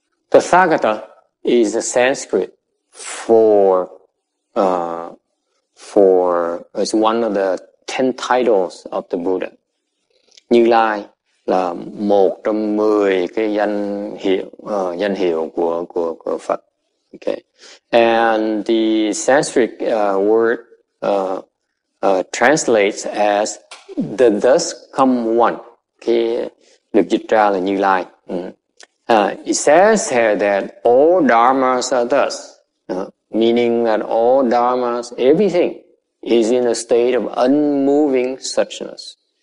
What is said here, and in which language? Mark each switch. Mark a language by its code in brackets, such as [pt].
[en] Tathagata is a Sanskrit it's one of the 10 titles of the Buddha. [vi] Như Lai là một trong 10 cái danh hiệu của Phật. [en] Okay, and the Sanskrit word translates as the thus come one. [vi] Okay, được dịch ra là Như Lai. [en] It says here that all dharmas are thus, meaning that all dharmas, everything, is in a state of unmoving suchness.